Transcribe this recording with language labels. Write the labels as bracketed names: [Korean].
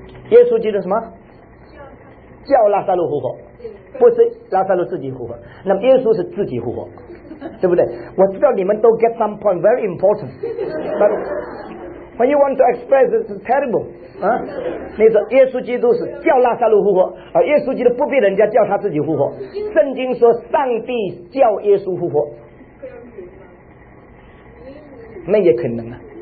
[Chinese] 耶稣基督什么？叫拉撒路复活，不是拉撒路自己复活，那么耶稣是自己复活。对不对？我知道你们都 [English] get some point very important, but when you want to express it, it's terrible. [Chinese] 啊，你说耶稣基督是叫拉撒路复活，而耶稣基督不必人家叫他自己复活。圣经说上帝叫耶稣复活，那也可能啊。